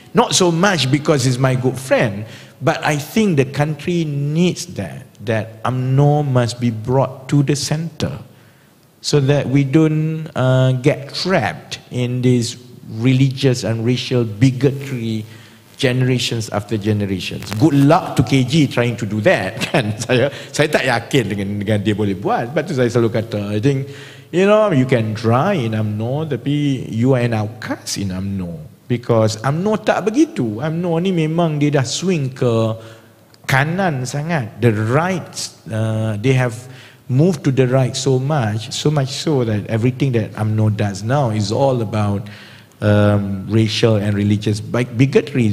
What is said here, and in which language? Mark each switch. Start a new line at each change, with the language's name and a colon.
English: Not so much because he's my good friend, but I think the country needs that, that UMNO must be brought to the center so that we don't get trapped in this religious and racial bigotry generations after generations. Good luck to KG trying to do that, kan?
Malay: Saya tak yakin dengan dia boleh buat. Sebab tu saya selalu kata,
English: I think, you know, you can try in UMNO, tapi you are an outcast in UMNO.
Malay: Because UMNO tak begitu. UMNO ni memang dia dah swing ke kanan sangat.
English: The right, they have moved to the right so much so that everything that UMNO does now is all about racial and religious bigotry.